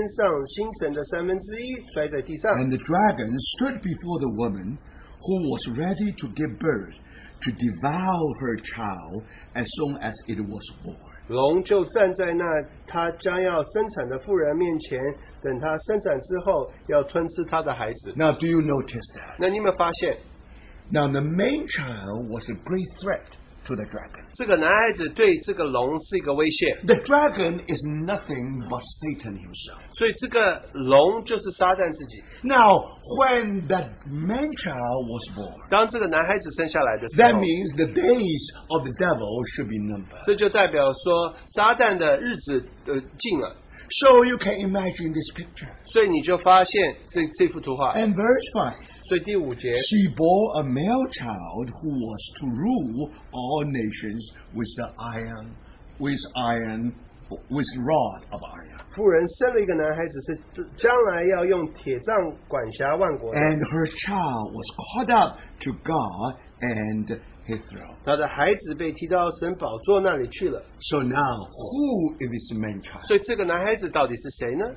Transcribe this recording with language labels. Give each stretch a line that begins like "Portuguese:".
Chinese: 他的尾巴拉脱这天上星辰的三分之一摔在地上。
English: And the dragon stood before the woman who was ready to give birth to devour her child as soon as it was born.
Chinese: 龙就站在那他将要生产的妇人面前。等他生产之后要吞吃他的孩子。
English: Now do you notice that?
Chinese: 那你有没有发现?
English: Now the main child was a great threat to the dragon.
Chinese: 这个男孩子对这个龙是一个威胁。
English: The dragon is nothing but Satan himself.
Chinese: 所以这个龙就是撒旦自己。
English: Now when that main child was born,
Chinese: 当这个男孩子生下来的时候,
English: that means the days of the devil should be numbered.
Chinese: 这就代表说撒旦的日子进了。
English: So you can imagine this picture.
Chinese: 所以你就发现这幅图画。
English: And verse 5.
Chinese: 所以第五节,
English: she bore a male child who was to rule all nations with the iron, with rod of iron.
Chinese: 妇人生了一个男孩子，是将来要用铁杖管辖万国的。
English: And her child was caught up to God and his throne.
Chinese: 他的孩子被提到神宝座那里去了。
English: So now, who is this man child?
Chinese: 所以这个男孩子到底是谁呢?